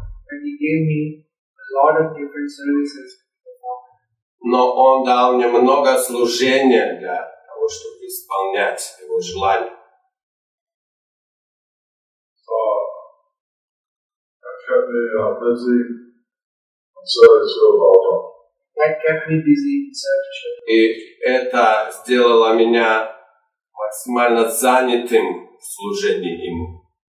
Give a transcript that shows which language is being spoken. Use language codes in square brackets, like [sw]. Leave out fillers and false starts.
[en] And he gave me a lot of different services. [ru] Но он дал мне много служения для того, чтобы исполнять его желание. [en] So that kept me busy on service to Baba. That kept me busy in service. [ru] И это сделало меня максимально занятым в служении ему.